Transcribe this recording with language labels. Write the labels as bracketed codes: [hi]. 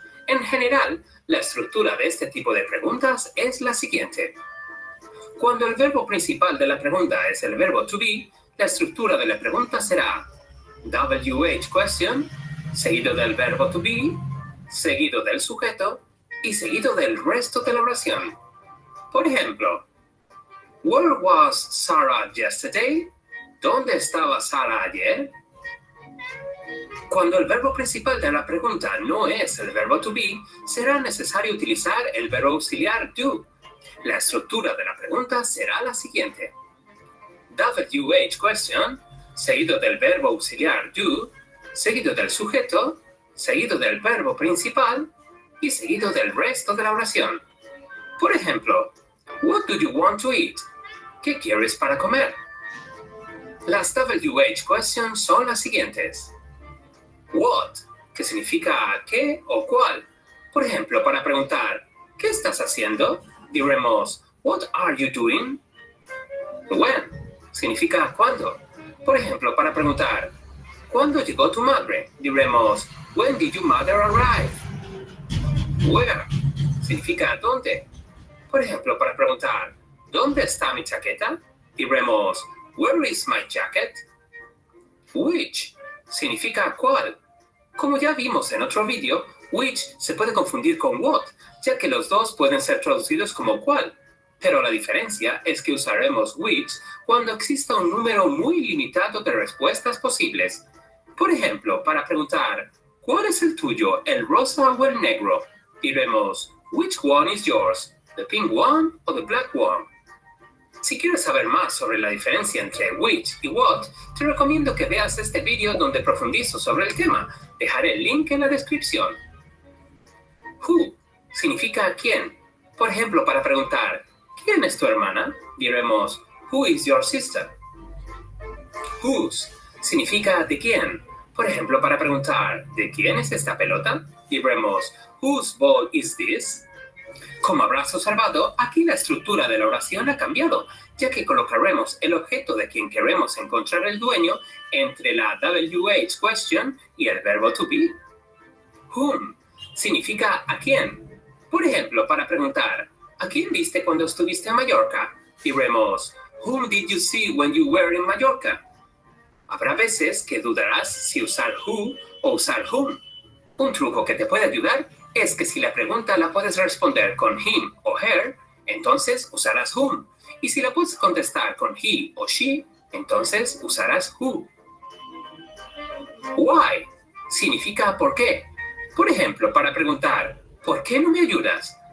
[es] En general, la estructura de este tipo de preguntas es la siguiente. Cuando el verbo principal de la pregunta es el verbo to be, la estructura de la pregunta será WH question, seguido del verbo to be, seguido del sujeto y seguido del resto de la oración. Por ejemplo, [en] Where was Sarah yesterday? [es] ¿Dónde estaba Sarah ayer? Cuando el verbo principal de la pregunta no es el verbo to be, será necesario utilizar el verbo auxiliar do. La estructura de la pregunta será la siguiente. WH question, seguido del verbo auxiliar do, seguido del sujeto, seguido del verbo principal y seguido del resto de la oración. Por ejemplo, [en] What do you want to eat? [es] ¿Qué quieres para comer? Las WH questions son las siguientes. What, que significa qué o cuál. Por ejemplo, para preguntar, ¿qué estás haciendo? Diremos, [en] What are you doing? [es] When, significa cuándo. Por ejemplo, para preguntar, ¿cuándo llegó tu madre? Diremos, [en] When did your mother arrive? [es] Where, significa dónde. Por ejemplo, para preguntar, ¿dónde está mi chaqueta? Diremos, [en] Where is my jacket? [es] Which, significa cuál. Como ya vimos en otro vídeo, which se puede confundir con what, ya que los dos pueden ser traducidos como cual. Pero la diferencia es que usaremos which cuando exista un número muy limitado de respuestas posibles. Por ejemplo, para preguntar, ¿cuál es el tuyo, el rosa o el negro? Diremos, [en] which one is yours, the pink one or the black one? [es] Si quieres saber más sobre la diferencia entre which y what, te recomiendo que veas este vídeo donde profundizo sobre el tema. Dejaré el link en la descripción. Who significa quién. Por ejemplo, para preguntar, ¿quién es tu hermana? Diremos, [en] Who is your sister? [es] Whose significa de quién. Por ejemplo, para preguntar, ¿de quién es esta pelota? Diremos, [en] Whose ball is this? [es] Como habrás observado, aquí la estructura de la oración ha cambiado, ya que colocaremos el objeto de quien queremos encontrar el dueño entre la WH question y el verbo to be. Whom significa a quién. Por ejemplo, para preguntar, ¿a quién viste cuando estuviste en Mallorca? Diremos, [en] Whom did you see when you were in Mallorca? [es] Habrá veces que dudarás si usar who o usar whom. Un truco que te puede ayudar es que si la pregunta la puedes responder con him o her, entonces usarás whom. Y si la puedes contestar con he o she, entonces usarás who. Why significa por qué. Por ejemplo, para preguntar, ¿por qué no me ayudas?